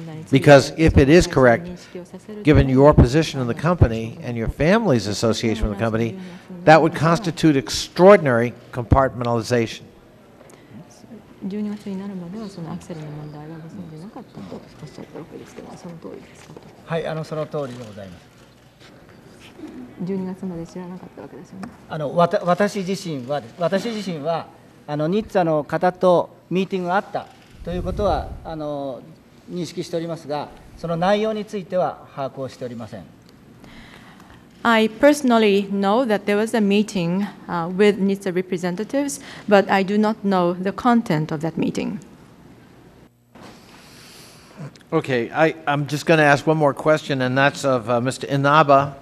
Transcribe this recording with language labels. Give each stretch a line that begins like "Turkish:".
English: Because if it is correct, given your position in the company and your family's association with the company, that would constitute extraordinary compartmentalization.
Japanese: はい、あの、その通りでございます。12月にならまではその、アクセルの問題はご存知なかったと、少し遅れですけど、その通りですかと。はい、あの、その通りでございます。12月までしらなかったわけですよね。あの、私自身は、私自身は、あの、ニッツァの方とミーティングがあったということは、あの、認識しておりますが、その内容については把握をしておりません。
English: I personally know that there was a meeting with NHTSA representatives, but I do not know the content of that meeting. Okay, I'm just going to ask one more question, and that's of Mr. Inaba.